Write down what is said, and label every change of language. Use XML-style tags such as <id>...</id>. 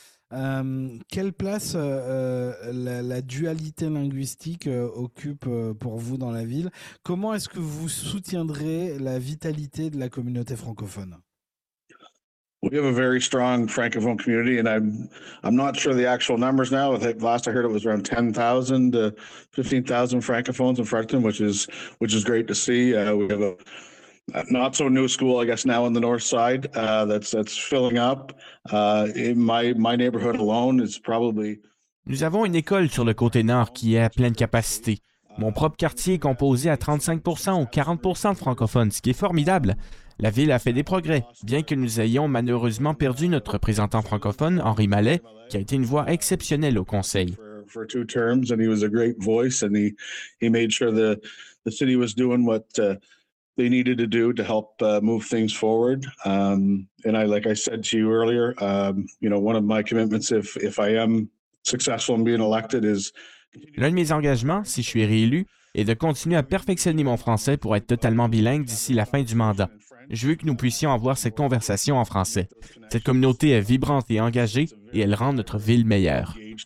<fr>Quelle place la dualité linguistique occupe pour vous dans la ville? Comment est-ce que vous soutiendrez la vitalité de la communauté francophone?</fr> <en>We have a very strong francophone community, and I'm not sure the actual numbers now. Last I heard, it was around 10,000 to 15,000 francophones in Fredericton, which is great to see. We have a not so new school, I guess, now on the north side that's filling up. In my neighborhood alone, it's probably.</en> <fr>Nous avons une école sur le côté nord qui est à pleine capacité. Mon propre quartier est composé à 35% ou 40% de francophones, ce qui est formidable. La ville a fait des progrès, bien que nous ayons malheureusement perdu notre représentant francophone, Henri Mallet, qui a été une voix exceptionnelle au conseil.</fr> <en>For two terms, and he was a great voice, and he made sure the city was doing what they needed to do to help move things forward. And I, like I said to you earlier, you know, one of my commitments, if I am successful in being elected, is.</en> <fr>L'un de mes engagements, si je suis réélu, est de continuer à perfectionner mon français pour être totalement bilingue d'ici la fin du mandat. Je veux que nous puissions avoir cette conversation en français. Cette communauté est vibrante et engagée, et elle rend notre ville meilleure.</fr>